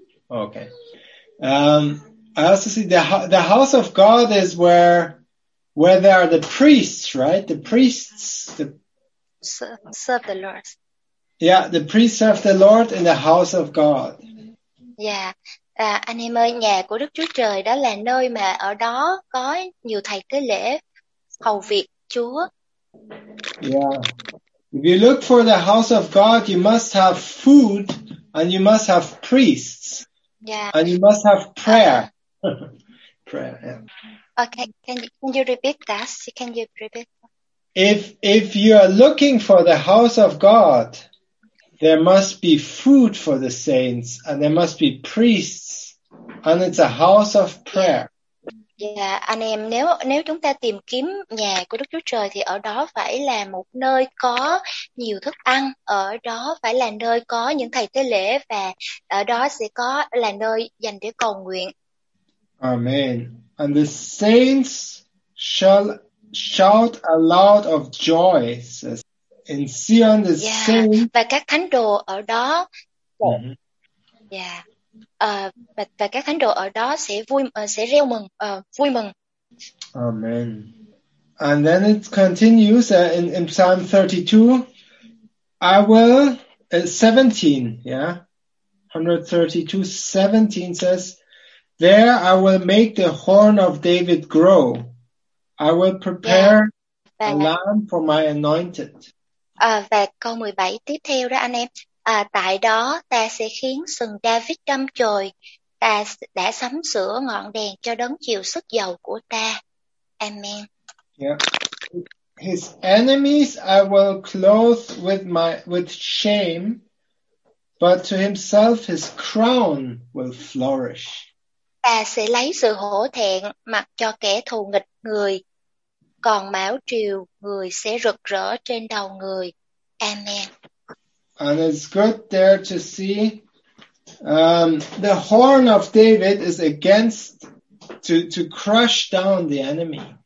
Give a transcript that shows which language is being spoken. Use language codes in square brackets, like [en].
[en] Okay. I also see the house of God is where there are the priests, right? The priests. The, Serve the Lord. yeah, the priests of the Lord in the house of God. [vi] Anh em ơi, nhà của Đức Chúa Trời đó là nơi mà ở đó có nhiều thầy tế lễ hầu việc Chúa. [en] If you look for the house of God, you must have food, and you must have priests, and you must have prayer. Prayer, Okay, can you repeat that? Can you repeat? If you are looking for the house of God, there must be food for the saints, and there must be priests, and it's a house of prayer. [vi] Anh em, nếu chúng ta tìm kiếm nhà của Đức Chúa Trời thì ở đó phải là một nơi có nhiều thức ăn, ở đó phải là nơi có những thầy tế lễ và ở đó sẽ có là nơi dành để cầu nguyện. [en] Amen. And the saints shall shout aloud of joy, says, in Zion the saints. [vi] Và các thánh đồ ở đó và các thánh đồ ở đó sẽ reo mừng, vui mừng. [en] Amen. And then it continues in Psalm 32. I will 17, yeah. 132, 17 says, there I will make the horn of David grow. I will prepare a lamp for my anointed. [vi] Và câu 17 tiếp theo đó anh em. Tại đó ta sẽ khiến sừng David trăm trời, ta đã sắm sửa ngọn đèn cho đấng chiều sức dầu của ta. [en] Amen. His enemies I will clothe with shame, but to himself his crown will flourish. [vi] Ta sẽ lấy sự hổ thẹn mặc cho kẻ thù nghịch người, còn mão triều người sẽ rực rỡ trên đầu người. [en] Amen. And it's good there to see the horn of David is against to crush down the enemy.